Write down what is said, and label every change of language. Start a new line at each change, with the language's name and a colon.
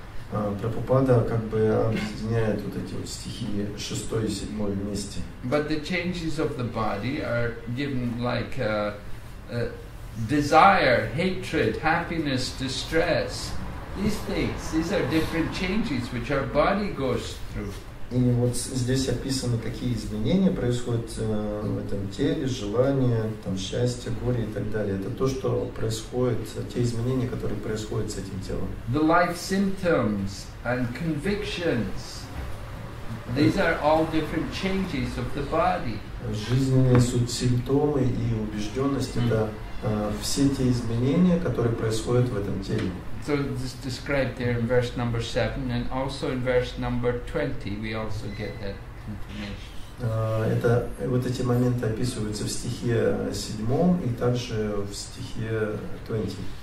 Russian: Прабхупада как бы объединяет вот эти вот стихи 6 и 7 вместе.
English: But the changes of the body are given like desire, hatred, happiness, distress. These things, these are different changes which our body goes through.
Russian: И вот здесь описаны, какие изменения происходят в этом теле, желания, там, счастье, горе и так далее. Это то, что происходит, те изменения, которые происходят с этим телом.
English: The life symptoms and convictions, these are all different changes of the body.
Russian: Жизненные суть симптомы и убежденность, это все те изменения, которые происходят в этом теле.
English: So it's described there in verse number 7 and also in verse number 20 we also get that information.
Russian: Это вот эти моменты описываются в стихе 7 и также в стихе 20.